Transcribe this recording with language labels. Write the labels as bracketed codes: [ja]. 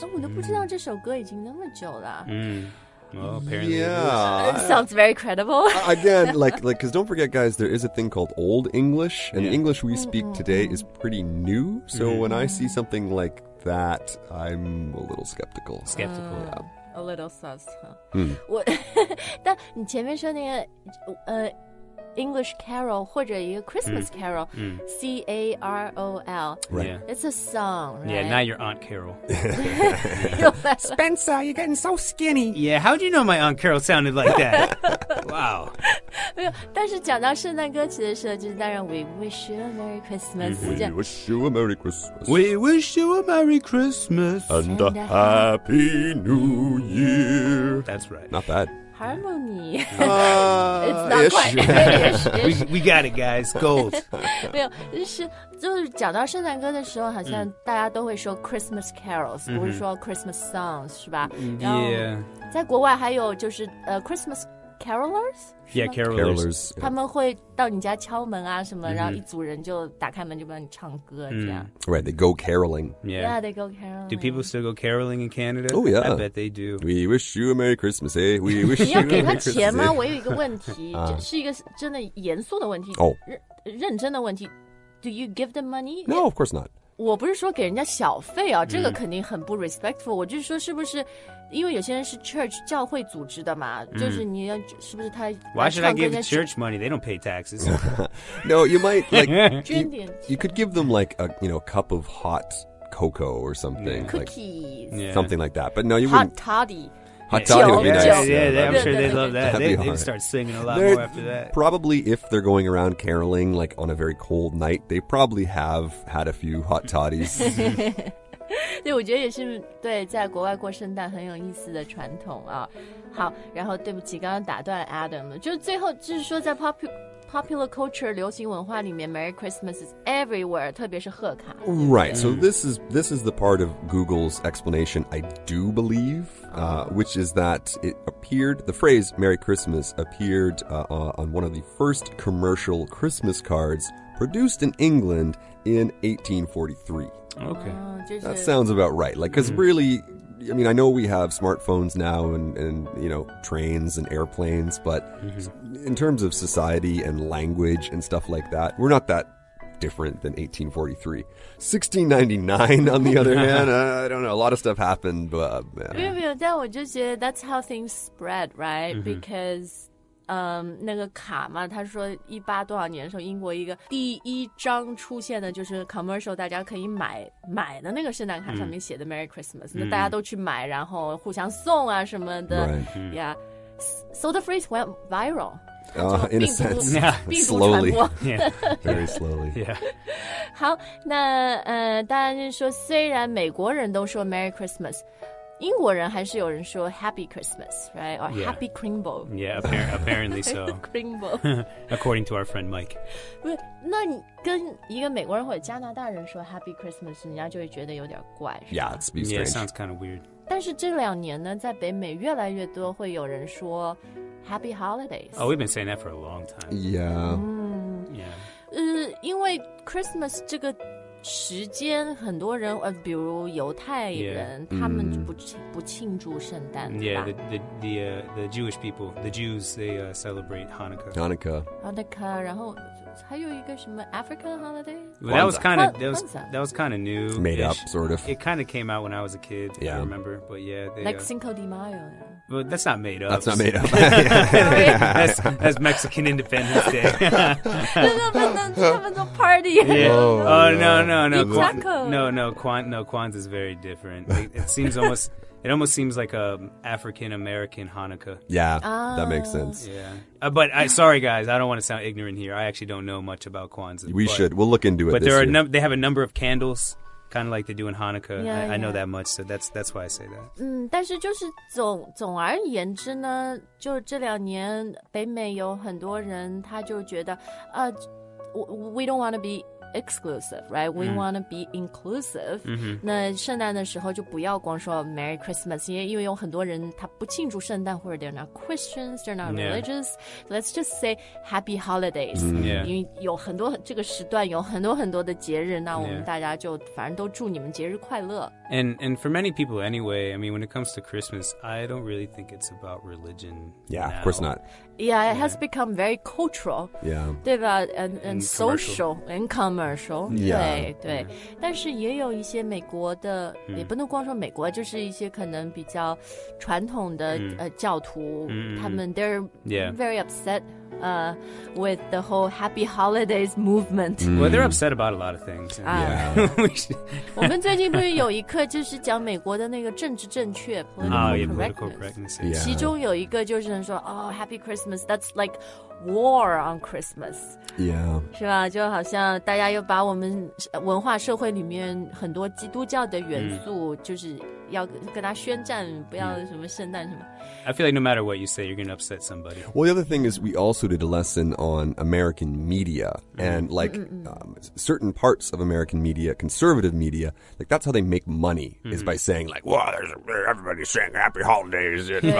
[en] Sounds very credible. Again, like, because don't forget, guys, there is a thing called Old English, and the English we speak today is pretty new. So when I see something like that, I'm a little skeptical. Skeptical, yeah. A little sus, huh? [zh] 但你前面说那个English carol 或者一个 [en] Christmas carol, C-A-R-O-L. Right. Yeah. It's a song, right? Yeah, not your Aunt Carol. Spencer, you're getting so skinny. Yeah, how do you know my Aunt Carol sounded like that? Wow. [zh] 没有，但是讲到圣诞歌曲的时候，就是当然 [en] We wish you a Merry Christmas. We wish you a Merry Christmas. We wish you a Merry Christmas. And a Happy New Year. That's right. Not bad. Harmony. It's not quite. We got it, guys. Gold. [zh] 没有，就是讲到圣诞歌的时候，好像大家都会说 Christmas carols， 不是说 Christmas songs， 是吧？ [en] Yeah. [zh] 在国外还有就是Christmas carolers。 [en] Yeah, carolers. [zh] 他们会到你家敲门啊什么，然后一组人就打开门就帮你唱歌这样。 [en] Right, they go caroling. Yeah, they go caroling. Do people still go caroling in Canada? Oh yeah, I bet they do. We wish you a Merry Christmas, eh? We wish you a Merry Christmas. [zh] 你要给他钱吗？我有一个问题，是一个真的严肃的问题。认真的问题。 [en] Do you give them money? No, of course not. [zh] 我不是说给人家小费啊，这个肯定很不 respectful。我就是说，是不是因为有些人是 church 教会组织的嘛？就是你要是不是他 [en] ？Why should I give the church money? They don't pay taxes. No, you might like [zh] 捐点。 [en] You could give them like a you know cup of hot cocoa or something, cookies, something like that. But no, you wouldn't. Hot toddy. Hot toddy would be nice. Yeah, I'm sure they'd love that. They'd start singing a lot more after that. Probably if they're going around caroling, like on a very cold night, they probably have had a few hot toddies. [zh] 对，我觉得也是对，在国外过圣诞很有意思的传统啊。好，然后对不起，刚刚打断 Adam 了。就是最后，就是说在 popular culture 流行文化里面 [en] Merry Christmas is everywhere [zh] 特别是贺卡 [en] Right, so this is the part of Google's explanation I do believe which is that it appeared the phrase Merry Christmas appeared on one of the first commercial Christmas cards produced in England in 1843 Okay That sounds about right like because really I mean I know we have smartphones now and you know trains and airplanes butIn terms of society and language and stuff like that, we're not that different than 1843. 1699, on the other hand, I don't know, a lot of stuff happened, but... That's how things spread, right? Because... [zh] 那个卡嘛，他说一八多少年的时候，英国一个第一张出现的就是 commercial， 大家可以买的那个圣诞卡上面写的 Merry Christmas，那大家都去买，然后互相送啊什么的 [en] right. ，Yeah. So the phrase went viral. In a sense, yeah. Slowly, yeah. Very slowly. Yeah. [zh] 好，那当然是说，虽然美国人都说 Merry Christmas。英国人还是有人说 [en] Happy Christmas, right? Or Happy Kringle. Yeah, apparently so. Kringle. According to our friend Mike. [zh] 那你跟一个美国人或者加拿大人说 Happy Christmas, 人家就会觉得有点怪。 [en] Yeah, it's be strange. Yeah, it sounds kind of weird. [zh] 但是这两年呢在北美越来越多会有人说 Happy Holidays. [en] Oh, we've been saying that for a long time. Yeah. Yeah. [zh] 因为 Christmas 这个时间很多人比如犹太人 [en] yeah. [zh] 他们不庆祝圣诞 [en] Yeah, the Jewish people, the Jews, they celebrate Hanukkah. [zh] Hanukkah, 然后还有一个什么 African holiday? [en] Well, that was kind of new. Made up, sort of. It kind of came out when I was a kid, yeah. if I remember. But yeah, like Cinco de Mayo. Well, that's not made up. That's not made up. that's Mexican Independence Day. No, party. Yeah. Oh, no. Kwanzaa is very different. It seems almost... It almost seems like an African-American Hanukkah. Yeah, that makes sense. Yeah. But sorry, guys, I don't want to sound ignorant here. I actually don't know much about Kwanzaa. We'll look into it but this there year. But they have a number of candles, kind of like they do in Hanukkah. Yeah, I know that much, so that's why I say that. [zh] 但是就是总而言之呢，就这两年北美有很多人他就觉得， [en] we don't want to be exclusive, right? We、mm-hmm. want to be inclusive.、 Mm-hmm. [zh] 那圣诞的时候就不要光说 Merry Christmas, 因为有很多人他不庆祝圣诞或者 [en] they're not Christians, they're not religious.、 Yeah. Let's just say Happy Holidays.、 Mm-hmm. Yeah. [zh] 因为有很多这个时段有很多很多的节日那我们大家就反正都祝你们节日快乐。 [en] And for many people anyway, I mean, when it comes to Christmas, I don't really think it's about religion. Yeah,、 now. Of course not. Yeah, it has become very cultural. Yeah. [zh] 对吧 [en] and social commercial. And commercial. Yeah. [zh] 对对、mm-hmm. 但是也有一些美国的、mm-hmm. 也不能光说美国就是一些可能比较传统的、mm-hmm. 教徒、 mm-hmm. 他们 [en] they're、yeah. very upset、with the whole Happy Holidays movement.、 Mm-hmm. Well, they're upset about a lot of things. Yeah. [zh] 我们最近不是有一课就是讲美国的那个政治正确 political correctness、 [en] yeah. [zh] 其中有一个就是说 [en] Oh, Happy Christmas, that's like war on Christmas. Yeah. [zh] 是吧就好像大家又把我们文化社会里面很多基督教的元素、mm. 就是要跟他宣战不要什么圣诞什么。 [en] I feel like no matter what you say, you're going to upset somebody. Well, the other thing is we also did a lesson on American media and like、mm-hmm. Certain parts of American media, conservative media, like that's how they make money、mm-hmm. is by saying like, wow, everybody's saying happy holidays.